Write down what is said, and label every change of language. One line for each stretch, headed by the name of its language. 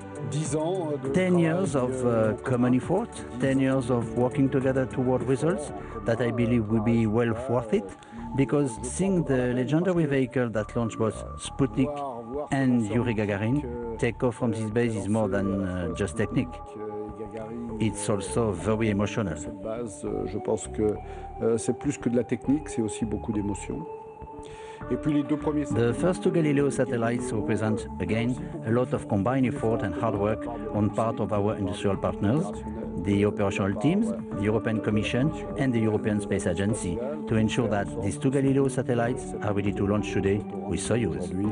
English: 10 years of common effort, 10 years of working together toward results that I believe will be well worth it, because seeing the legendary vehicle that launched both Sputnik and Yuri Gagarin take off from this base is more than just technique. It's also very emotional.
French: Je pense que c'est plus que de la technique, c'est aussi beaucoup d'émotion.
English: The first two Galileo satellites represent, again, a lot of combined effort and hard work on part of our industrial partners, the operational teams, the European Commission and the European Space Agency, to ensure that these two Galileo satellites are ready to launch today with Soyuz.